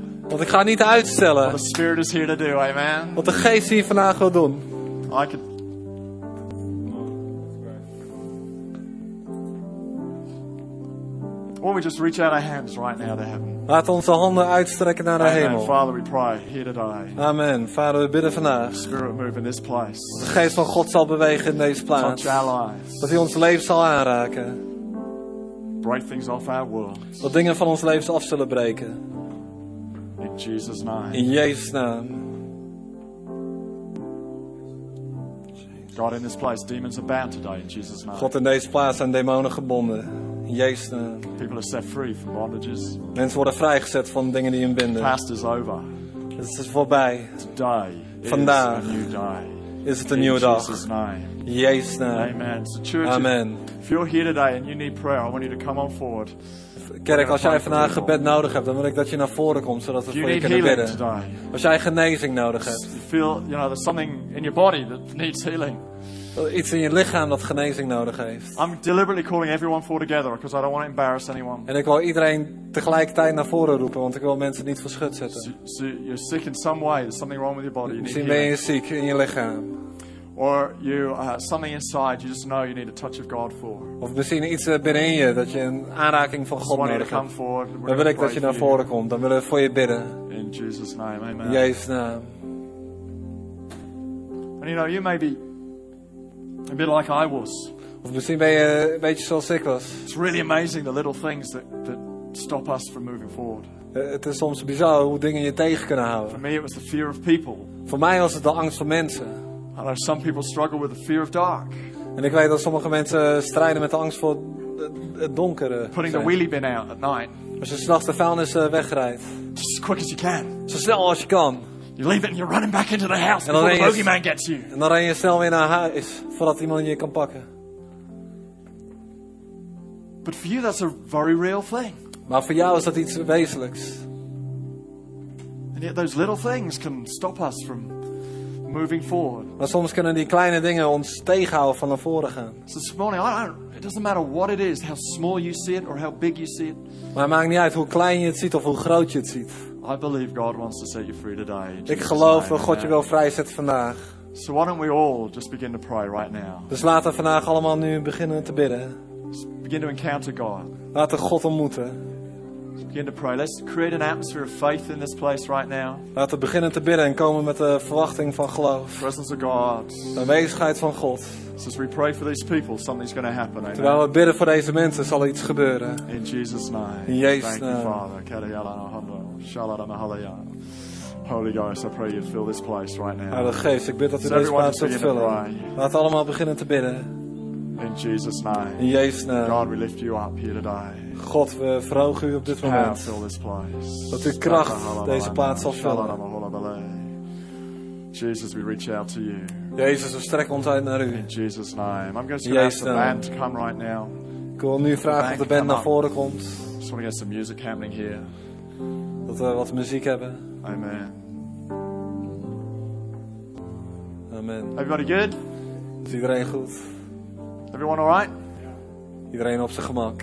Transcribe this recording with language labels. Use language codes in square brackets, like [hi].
[nl] Want ik ga niet uitstellen. [en] What the Spirit is here to do. Amen. [nl] Wat de Geest hier vandaag wil doen. [en] I could. Why don't we just reach out our hands right now to heaven? [nl] Laat onze handen uitstrekken naar de hemel. [en] Father, we pray here today. [nl] Amen. Vader, we bidden vandaag. [en] Spirit move in this place. [nl] De geest van God zal bewegen in deze plaats. [en] Touch our lives. [nl] Dat Hij ons leven zal aanraken. [en] Break things off our world. [nl] Dat dingen van ons leven af zullen breken. [en] In Jesus' name. [nl] In Jezus' naam. [en] God in this place, demons are bound today in Jesus' name. [nl] God in deze plaats zijn demonen gebonden. Jezus, [en] people are set free from bondages. [nl] Mensen worden vrijgezet van dingen die hun binden. [en] Past is over. [nl] Het is voorbij. [en] Today [nl] vandaag [en] is, a new day. [nl] Is het een nieuwe dag. [en] Jesus name. [nl] Jezus naam. [en] Amen. So church, [nl] amen. [en] If you're here today and you need prayer, I want you to come on forward. [nl] Kerk, als jij vandaag gebed nodig hebt, dan wil ik dat je naar voren komt, zodat we voor je kunnen bidden. Als jij genezing nodig hebt. [en] You feel, you know, there's something in your body that needs healing. [nl] Iets in je lichaam dat genezing nodig heeft. [en] I'm deliberately calling everyone forward together because I don't want to embarrass anyone. [nl] En ik wil iedereen tegelijkertijd naar voren roepen, want ik wil mensen niet voor schut zetten. [en] So you're sick in some way. There's something wrong with your body. [nl] Misschien ben je ziek in je lichaam. [en] Or you something inside you just know you need a touch of God for. [nl] Of misschien iets binnen je dat je een aanraking van God nodig hebt. [en] To come forward, [nl] dan wil ik dat je naar voren komt. Dan willen we voor je bidden. [en] In Jesus' name, amen. [nl] In Jezus naam. [en] And you know you may be a bit like I was. [nl] Of misschien ben je een beetje zoals ik was. [en] It's really amazing the little things that stop us from moving forward. [nl] Het is soms bizar hoe dingen je tegen kunnen houden. [en] For me it was the fear of people. [nl] Voor mij was het de angst voor mensen. [en] I know some people struggle with the fear of dark. [nl] En ik weet dat sommige mensen strijden met de angst voor het donkere. [en] Putting the wheelie bin out at night. [nl] Als je 's nachts de vuilnis wegrijdt. [en] Just as quick as you can. [nl] Zo snel als je kan. [en] You leave it and you're running back into the house before the bogeyman gets you. [nl] En dan ren je snel weer naar huis voordat iemand je kan pakken. [en] But for you that's a very real thing. [nl] Maar voor jou is dat iets wezenlijks. [en] And yet those little things can stop us from moving forward. [nl] Maar soms kunnen die kleine dingen ons tegenhouden van naar voren gaan. [en] So this morning, it doesn't matter what it is, how small you see it or how big you see it. [nl] Maar het maakt niet uit hoe klein je het ziet of hoe groot je het ziet. [en] I believe God wants to set you free today. [nl] Ik geloof dat God je wil vrijzetten vandaag. [en] So why don't we all just begin to pray right now? [nl] Dus laten we vandaag allemaal nu beginnen te bidden. [en] Begin to encounter God. [nl] Laten God ontmoeten. [en] Begin to pray. Let's create an atmosphere of faith in this place right now. [nl] Laten we beginnen te bidden en komen met de verwachting van geloof. [en] Presence of God. [nl] De aanwezigheid van God. [en] So as we pray for these people, something's going to happen. [nl] Terwijl we bidden voor deze mensen, zal iets gebeuren. [en] In Jesus' name. [nl] In Jezus' [en] naam. Thank you, Father. Holy Ghost, I pray you fill this place right now. [nl] Heilige Geest, ik bid dat u deze plaats zult vullen. Laten we allemaal beginnen te bidden. [en] In Jesus' name. [nl] In Jezus' naam. [en] God, we lift you up here today. [nl] God, we verhogen u op dit moment. Dat uw kracht deze plaats zal vullen. [en] Jesus, we reach out to you. [nl] Jezus, we strekken ons uit naar u. [en] In Jesus' name. I'm going to ask the band to come right now. [nl] Ik wil nu vragen of de band naar voren komt. [en] Just want to get some music happening here. [nl] Dat we wat muziek hebben. [en] Amen. [nl] Amen. [en] Everybody good? [nl] Is iedereen goed? [en] Everyone all right? [nl] Iedereen op zijn gemak.